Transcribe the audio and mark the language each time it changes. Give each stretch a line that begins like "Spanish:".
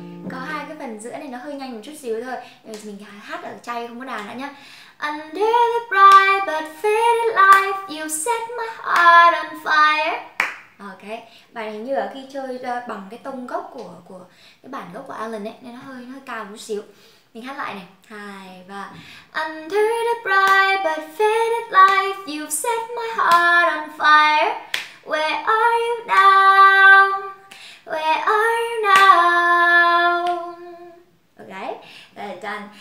Vietnamese: Có hai cái phần giữa này nó hơi nhanh một chút xíu thôi. Nên mình hát ở chay không có đàn nữa nhá.
English: Under the bright but faded light, you set my heart on fire.
Vietnamese: Ok, bài này như là khi chơi bằng cái tông gốc của cái bản gốc của Alan ấy, nên nó hơi cao một xíu. Mình hát lại này, hai và
English: under the bright but faded light, you set my heart on fire. Where are you now? Where are you now? Ok. Done.